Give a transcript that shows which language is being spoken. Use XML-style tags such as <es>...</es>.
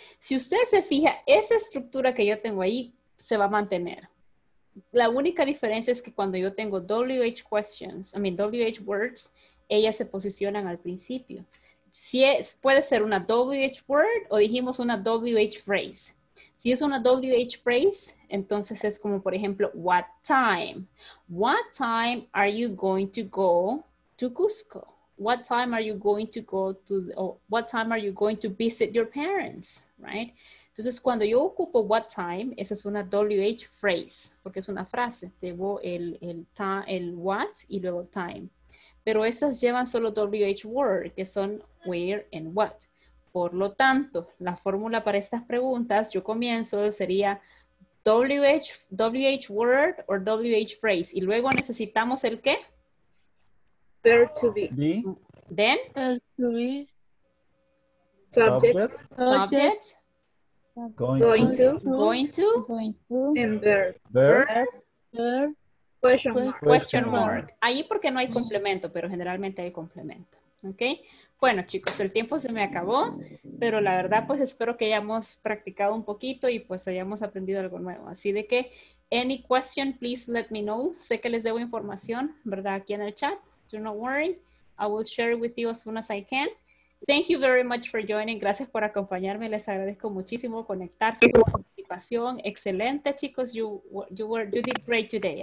<es>Si usted se fija, esa estructura que yo tengo ahí se va a mantener. La única diferencia es que cuando yo tengo WH words, ellas se posicionan al principio. Si es, puede ser una WH word o dijimos una WH phrase. Si es una WH phrase, entonces es como, por ejemplo,</es> <en>what time? What time are you going to go to Cusco? What time are you going to go to, or what time are you going to visit your parents, right?</en> <es>Entonces, cuando yo ocupo what time, esa es una WH phrase, porque es una frase. Debo el what y luego time. Pero esas llevan solo WH word, que son where and what. Por lo tanto, la fórmula para estas preguntas, yo comienzo, sería WH word or WH phrase. Y luego necesitamos el qué?</es> <en>Verb to be. Then? Verb to be. Subject. Going to. And verb. Question mark.</en> <es>Ahí porque no hay complemento, pero generalmente hay complemento. ¿Ok? Bueno, chicos, el tiempo se me acabó, pero la verdad, pues espero que hayamos practicado un poquito y pues hayamos aprendido algo nuevo. Así de que,</es> <en>any question, please let me know.</en> <es>Sé que les debo información, ¿verdad? Aquí en el chat.</es> <en>Do not worry. I will share it with you as soon as I can. Thank you very much for joining.</en> <es>Gracias por acompañarme. Les agradezco muchísimo conectarse con participación. Excelente, chicos.</es> <en>You did great today.</en>